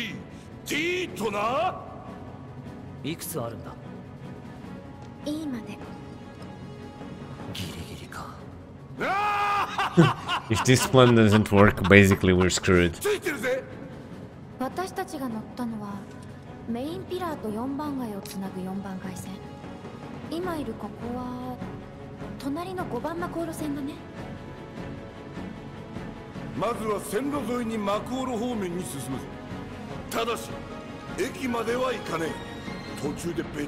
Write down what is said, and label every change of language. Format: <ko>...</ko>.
<ja>こいつは駅からまっとうにマコールを目指すルート。今は予定から外れちまったが、抜かりはねえ。オプションを準備してあんのよ。マコールから近い順にプラン B、C、Dとな。いくつあるんだ?今で。ギリギリか。</ja> <en>If this plan doesn't work, basically we're screwed.</en> <ja>私たちが乗ったのはメインピラーと4番街をつなぐ4番街線。今いるここは隣の5番マコール線だね。まずは線路沿いにマコール方面に進む。ただし駅までは行かねえ。</ja>